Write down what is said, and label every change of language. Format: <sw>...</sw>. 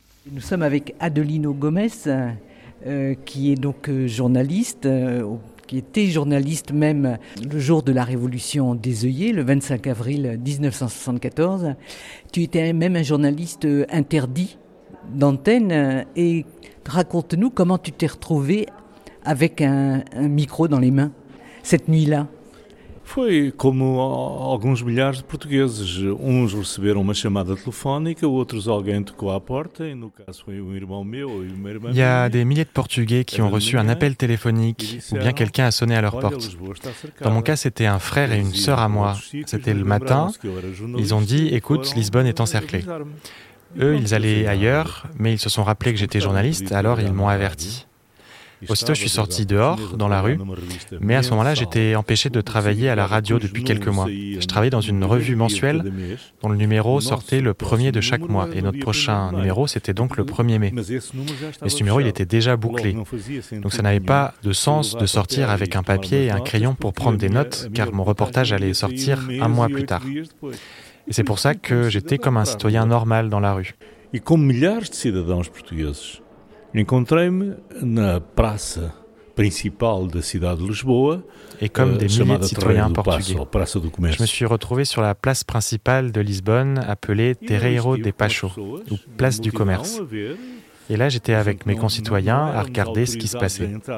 <fr>Nous sommes avec Adelino Gomes, qui est donc journaliste, qui était journaliste même le jour de la Révolution des œillets, le 25 avril 1974. Tu étais même un journaliste interdit d'antenne. Et raconte-nous comment tu t'es retrouvé avec un micro dans les mains, cette nuit-là.</fr> <pt>Foi como alguns milhares de portugueses. Uns receberam uma chamada telefónica, outros alguém tocou à porta.</pt> <fr>Il y a des milliers de Portugais qui ont reçu un appel téléphonique ou bien quelqu'un a sonné à leur porte. Dans mon cas, c'était un frère et une sœur à moi. C'était le matin. Ils ont dit « Écoute, Lisbonne est encerclée ». Eux, ils allaient ailleurs, mais ils se sont rappelés que j'étais journaliste, alors ils m'ont averti. Aussitôt, je suis sorti dehors, dans la rue, mais à ce moment-là, j'étais empêché de travailler à la radio depuis quelques mois. Je travaillais dans une revue mensuelle dont le numéro sortait le premier de chaque mois, et notre prochain numéro, c'était donc le 1er mai. Mais ce numéro, il était déjà bouclé. Donc ça n'avait pas de sens de sortir avec un papier et un crayon pour prendre des notes, car mon reportage allait sortir un mois plus tard. Et c'est pour ça que j'étais comme un citoyen normal dans la rue. Et comme milliards de citoyens portugais.</fr> <pt>Encontrei-me na praça principal da cidade de Lisboa.</pt> <fr>Et comme des milliers de citoyens portugais, je me suis retrouvé sur la place principale de Lisbonne appelée Terreiro de Paixão, ou Place du Commerce. Et là, j'étais avec mes concitoyens à regarder ce qui se passait.</fr>